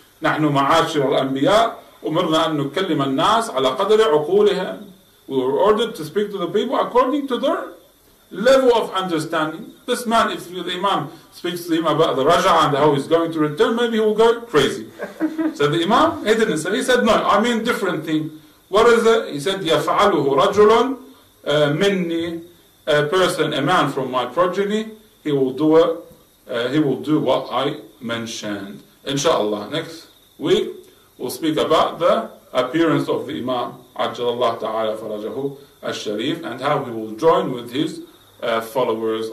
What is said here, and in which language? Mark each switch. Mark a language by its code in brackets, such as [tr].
[ar] نَحْنُ مَعَاشِرُ الْأَنْبِيَاءِ أُمِرْنَا أَنْ نُكَلِّمَ النَّاسِ عَلَى قَدْرِ عُقُولِهِمْ. [en] We were ordered to speak to the people according to their level of understanding. This man, if the Imam speaks to him about the Raja and how he's going to return, maybe he will go crazy. So the Imam, he didn't say. He said, no, I mean different thing. What is it? He said, [ar] يَفْعَلُهُ رَجُلٌ مِنِّي. [en] A person, a man from my progeny, he will do it, he will do what I mentioned. Inshallah, next week we'll speak about the appearance of the Imam, Ajjalallah ta'ala farajahu al-Sharif, and how he will join with his followers.